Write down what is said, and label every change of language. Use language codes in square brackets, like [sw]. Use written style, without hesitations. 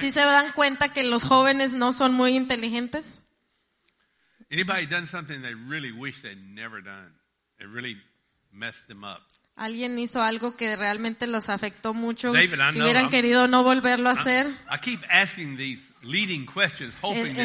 [es] ¿Sí se dan cuenta que los jóvenes no son muy inteligentes? [en] Anybody done something they really wish they'd never done? It really messed them up. [es] ¿Alguien hizo algo que realmente los afectó mucho, David, que hubieran querido no volverlo a hacer? [en] I keep asking these leading questions, hoping that